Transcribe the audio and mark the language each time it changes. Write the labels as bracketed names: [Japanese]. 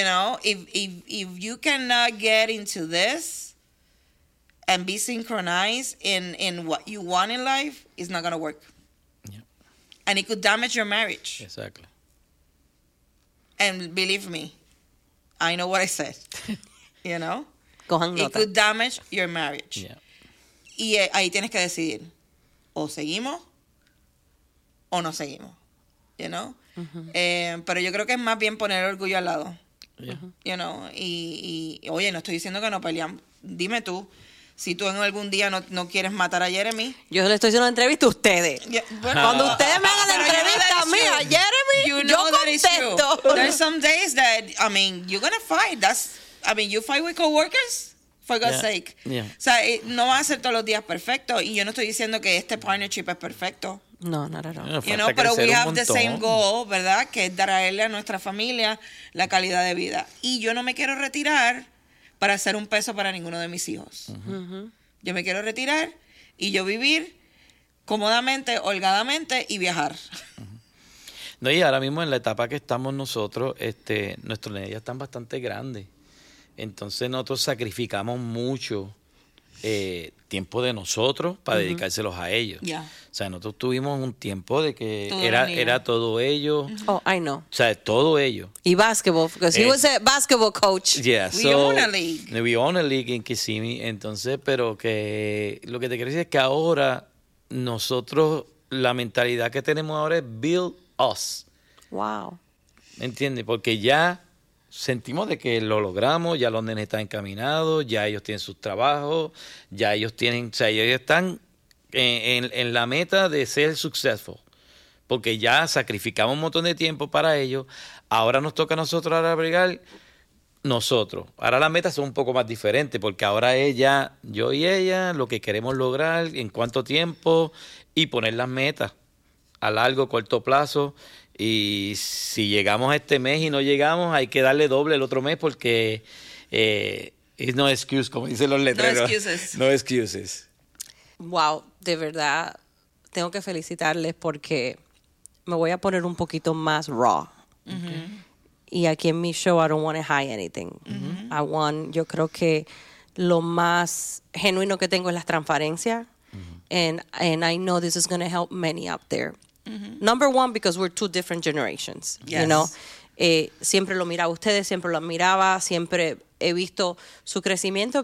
[English] You know, if you cannot get into this and be synchronized in what you want in life, it's not going to work. Yeah. And it could damage your marriage. Exactly. And believe me, I know what I said. You know? [Spanish] Cojan nota. [English] It could damage your marriage. Yeah. [Spanish] Y ahí tienes que decidir, o seguimos o no seguimos. [English] You know? Uh-huh. [Spanish] Pero yo creo que es más bien poner el orgullo al lado. [English] Yeah. You know? [Spanish] Y oye, no estoy diciendo que no peleamos. Dime tú. Si tú en algún día no quieres matar a Jeremy. Yo le estoy haciendo una entrevista a ustedes. Yeah, bueno, cuando ustedes me hagan la entrevista a mí, a Jeremy, [English] you [Spanish] yo [English] know [Spanish] contesto. [English] There's some days that, I mean, you're going to fight. That's, I mean, you fight with coworkers, for God's sake. Yeah. [Spanish] O sea, no va a ser todos los días perfecto. Y yo no estoy diciendo que este partnership es perfecto. [English] No, not at all. You know, [Spanish] pero [English] we have the same goal, [Spanish] ¿verdad? Que es darle a nuestra familia la calidad de vida. Y yo no me quiero retirar para hacer un peso para ninguno de mis hijos. Yo me quiero retirar y yo vivir cómodamente, holgadamente y viajar. No, y ahora mismo en la etapa que estamos nosotros, nuestros niños ya están bastante grandes. Entonces nosotros sacrificamos mucho tiempo de nosotros para dedicárselos a ellos. [English] Yeah. [Spanish] O sea, nosotros tuvimos un tiempo de que era todo ellos. [English] Oh, I know. [Spanish] O sea, todo ellos. Y [English] basketball, because he was a basketball coach. Yeah, we so, own a league. We own a league in Kissimmee. [Spanish] Entonces, pero que lo que te quiero decir es que ahora nosotros, la mentalidad que tenemos ahora es [English] build us. Wow. [Spanish] ¿Me entiendes? Porque ya sentimos de que lo logramos, ya los nenes están encaminados, ya ellos tienen sus trabajos, ya ellos tienen, o sea, ellos están en la meta de ser successful, porque ya sacrificamos un montón de tiempo para ellos, ahora nos toca a nosotros ahora bregar nosotros. Ahora las metas son un poco más diferentes, porque ahora ella, yo y ella, lo que queremos lograr, en cuánto tiempo, y poner las metas a largo, corto plazo. Y si llegamos a este mes y no llegamos, hay que darle doble el otro mes porque [English] it's no excuse, [Spanish] como dicen los letreros. [English] No excuses. No excuses. [Spanish] Wow, de verdad, tengo que felicitarles porque me voy a poner un poquito más raw. [English] Okay. [Spanish] Y aquí en mi show, [English] I don't want to hide anything. Mm-hmm. I want, [Spanish] yo creo que lo más genuino que tengo es la transparencia. [English] Mm-hmm. And I know this is going to help many out there. Mm-hmm. Number one, because we're two different generations. Yes. You know, [Spanish] siempre lo miraba ustedes, siempre lo admiraba, siempre he visto su crecimiento.